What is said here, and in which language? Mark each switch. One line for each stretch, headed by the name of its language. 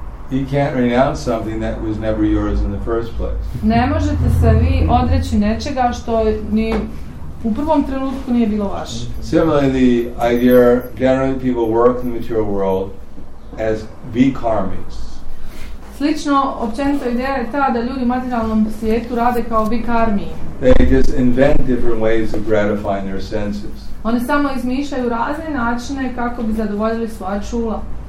English: You can't renounce something that was never yours in the first place.
Croatian: Ne možete se vi odreći nečega što ni u prvom trenutku nije bilo vaše.
English: Similarly, the idea generally people work in the material world as vikarmis.
Croatian: Slično, općenito ideja je ta da ljudi u materijalnom svijetu rade kao vikarmi.
English: They just invent different ways of gratifying their senses.
Croatian: Oni samo izmišljaju razne načine kako bi zadovoljili svoja čula.